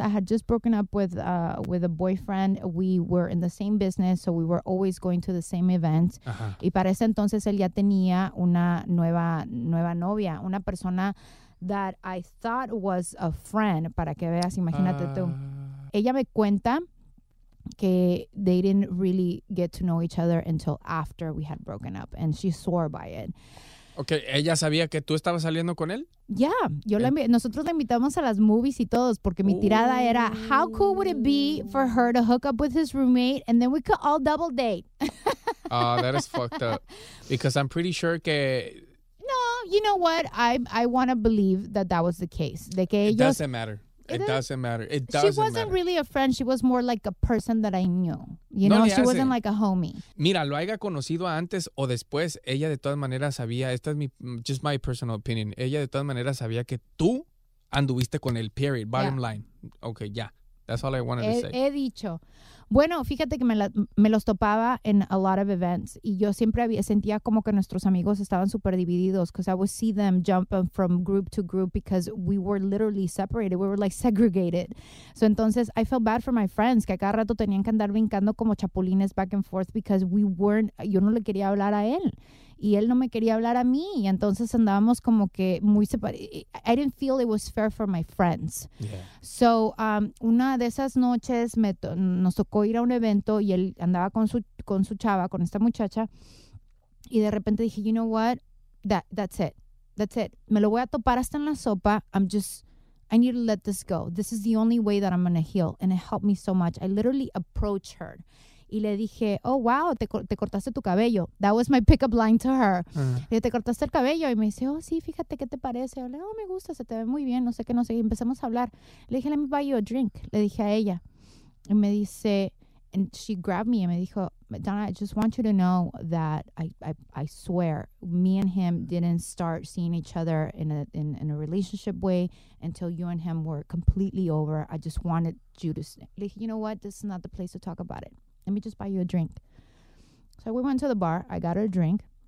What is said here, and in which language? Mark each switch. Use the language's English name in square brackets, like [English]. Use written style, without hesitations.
[English] I had just broken up with a boyfriend. We were in the same business, so we were always going to the same events. [Spanish] Ajá. Y para ese entonces él ya tenía una nueva novia, una persona [English] that I thought was a friend, [Spanish] para que veas, imagínate tú. Ella me cuenta que [English] they didn't really get to know each other until after we had broken up, and she swore by it. [Spanish] Okay, ¿ella sabía que tú estabas saliendo con él? [English] Yeah, [Spanish] nosotros la invitamos a las [English] movies [Spanish] y todos, porque mi tirada era, [English] how cool would it be for her to hook up with his roommate and then we could all double date? Oh, that is fucked up. Because I'm pretty sure [Spanish] que... [English] No, you know what? I want to believe that was the case. [Spanish] De que ellos, [English] It doesn't matter. She wasn't really a friend. She was more like a person that I knew. You know, she wasn't like a homie. [Spanish] Mira, lo haya conocido antes o después, ella de todas maneras sabía, esta es [English] just my personal opinion, [Spanish] ella de todas maneras sabía que tú anduviste con él, [English] period, bottom line. [Spanish] Okay, ya. [English] That's all I wanted to say. [Spanish] He dicho. Bueno, fíjate que me los topaba en [English] a lot of events [Spanish] y yo siempre había, sentía como que nuestros amigos estaban super divididos [English] because I would see them jumping from group to group because we were literally separated. We were like segregated. [Spanish] So entonces, [English] I felt bad for my friends [Spanish] que a cada rato tenían que andar brincando como chapulines [English] back and forth because we weren't, [Spanish] yo no le quería hablar a él y él no me quería hablar a mí. Y entonces andábamos como que muy separados. [English] I didn't feel it was fair for my friends. Yeah. [Spanish] So una de esas noches nos tocó ir a un evento y él andaba con su chava, con esta muchacha, y de repente dije, [English] you know what, that's it, [Spanish] me lo voy a topar hasta en la sopa. [English] I need to let this go. This is the only way that I'm gonna heal, and it helped me so much. I literally approached her [Spanish] y le dije, [English] oh wow, [Spanish] te cortaste tu cabello. [English] That was my pickup line to her. [Spanish] Uh-huh. Y dije, te cortaste el cabello, y me dice, oh sí, fíjate, ¿qué te parece? Y le dije, oh, me gusta, se te ve muy bien, no sé, y empezamos a hablar. Le dije, [English] let me buy you a drink, [Spanish] le dije a ella. Y me dice, [English] and she grabbed me and [Spanish] me dijo, [English] Donna, I just want you to know that I swear, me and him didn't start seeing each other in a relationship way until you and him were completely over. I just wanted you to say, like, you know what? This is not the place to talk about it. Let me just buy you a drink. So we went to the bar. I got her a drink.